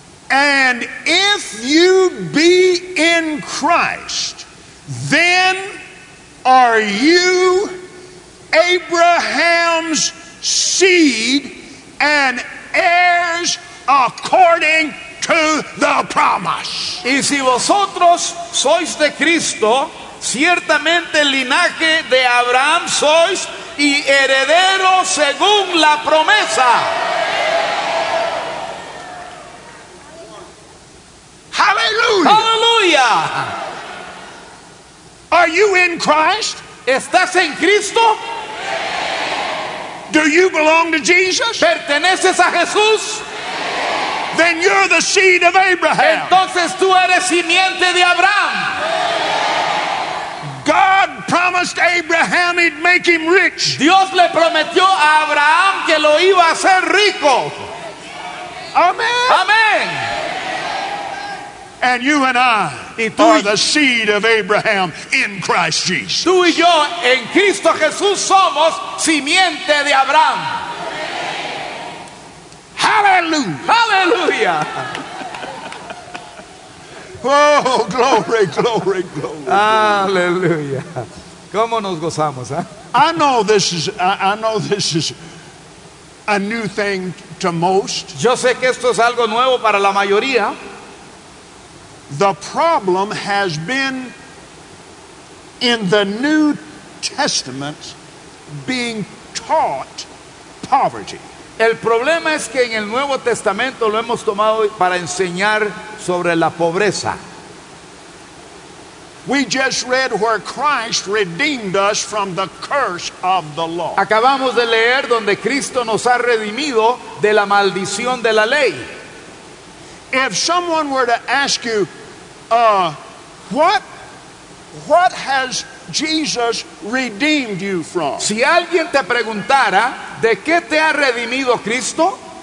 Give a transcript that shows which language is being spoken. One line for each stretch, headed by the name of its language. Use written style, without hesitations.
English: And if you be in Christ, then are you Abraham's seed and heirs according to the promise.
Spanish: Y si vosotros sois de Cristo, ciertamente el linaje de Abraham sois y heredero según la promesa. Hallelujah. Hallelujah.
English: Are you in Christ?
Spanish: ¿Estás en Cristo?
English: Do you belong to Jesus?
Spanish: ¿Perteneces a Jesús?
English: Then you're the seed of Abraham.
Spanish: Entonces tú eres simiente de Abraham.
English: God promised Abraham he'd make him rich.
Spanish: Dios le prometió a Abraham que lo iba a hacer rico. Amen. Amen.
English: And you and I are the seed of Abraham in Christ Jesus.
Spanish: Tú y yo en Cristo Jesús somos simiente de Abraham. Hallelujah. Hallelujah.
English: Oh, glory, glory, glory.
Spanish: Hallelujah. ¿Cómo nos gozamos, eh?
English: I know this is a new thing to most.
Spanish: Yo sé que esto es algo nuevo para la mayoría.
English: The problem has been in the New Testament being taught poverty.
Spanish: El problema es que en el Nuevo Testamento lo hemos tomado para enseñar sobre la pobreza.
English: We just read where Christ redeemed us from the curse of the law.
Spanish: Acabamos de leer donde Cristo nos ha redimido de la maldición de la ley.
English: If someone were to ask you, what has Jesus redeemed you from?
Spanish: Si alguien te preguntara, ¿de qué te ha redimido Cristo?